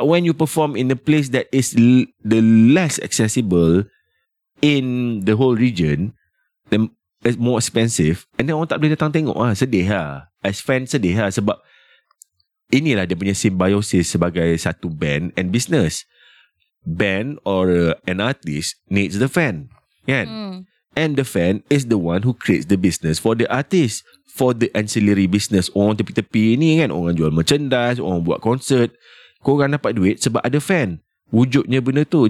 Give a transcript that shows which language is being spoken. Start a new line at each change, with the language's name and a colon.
English: But when you perform in a place that is the less accessible in the whole region, then it's more expensive, and then
Malay: orang tak boleh datang tengok lah. Sedih lah,
English: as fan
Malay: sedih lah. Sebab inilah dia punya symbiosis sebagai satu band
English: and business. Band or an artist needs the fan,
Malay: kan?
English: Mm. And the fan is the one who creates the business for the artist, for the ancillary business.
Malay: Orang tepi-tepi ni kan, orang jual merchandise, orang buat konsert, korang dapat duit sebab ada fan. Wujudnya benda tu.